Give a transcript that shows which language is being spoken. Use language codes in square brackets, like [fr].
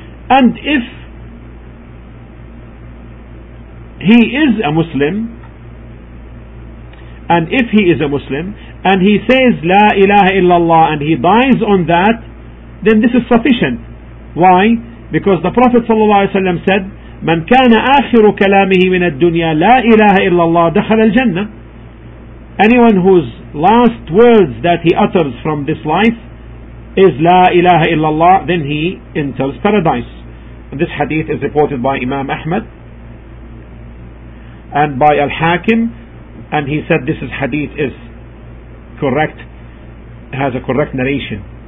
[en] And if he is a Muslim, and if he is a Muslim and he says La ilaha illallah and he dies on that, then this is sufficient. Why? Because the Prophet sallallahu alaihi wasallam said [ar] من كان آخر كلامه من الدنيا لا إله إلا الله دخل الجنة. [en] Anyone whose last words that he utters from this life is [ar] لا إله إلا الله, [en] then he enters paradise. And this hadith is reported by Imam Ahmad and by Al-Hakim, and he said this is hadith is correct, has a correct narration.